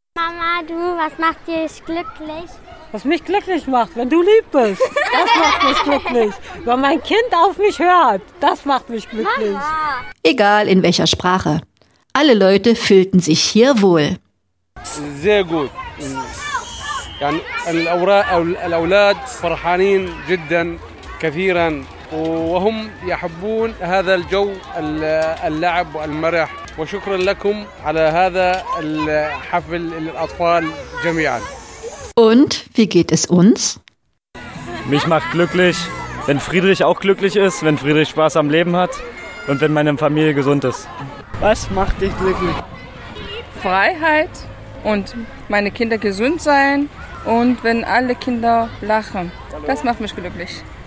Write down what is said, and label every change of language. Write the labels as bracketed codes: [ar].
[de] Mama, du, was macht dich glücklich? Was mich glücklich macht, wenn du lieb bist. Das macht mich glücklich. Wenn mein Kind auf mich hört, das macht mich glücklich. Mama. Egal in welcher Sprache. Alle Leute fühlten sich hier wohl. Sehr gut. [ar] الأولاد فرحانين جدا كثيرا وهم يحبون هذا الجو اللعب والمرح وشكرا لكم على هذا الحفل للأطفال جميعا. [de] Und wie geht es uns? Mich macht glücklich, wenn Friedrich auch glücklich ist, wenn Friedrich Spaß am Leben hat und wenn meine Familie gesund ist. Was macht dich glücklich? Freiheit und meine Kinder gesund sein. Und wenn alle Kinder lachen, das macht mich glücklich.